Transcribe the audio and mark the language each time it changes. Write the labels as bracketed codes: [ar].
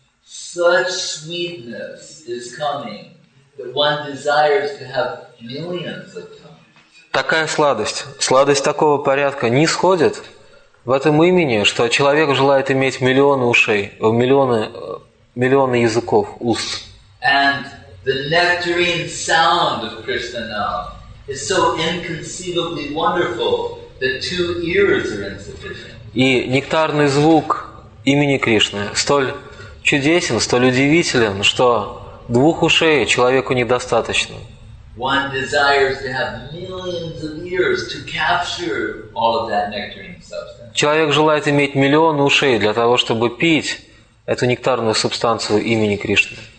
[en] Such sweetness is coming that one desires to have millions of tongues. [ru] Такая сладость такого порядка нисходит в этом имени, что человек желает иметь миллионы ушей, миллионы языков, уст. [en] And the nectarine sound of Krishna Nam is so inconceivably wonderful that two ears are insufficient. [ru] И нектарный звук имени Кришны столь чудесен, столь удивителен, что двух ушей человеку недостаточно. [en] One desires to have millions of ears to capture all of that nectarine substance. [ru] Человек желает иметь миллион ушей для того, чтобы пить эту нектарную субстанцию имени Кришны.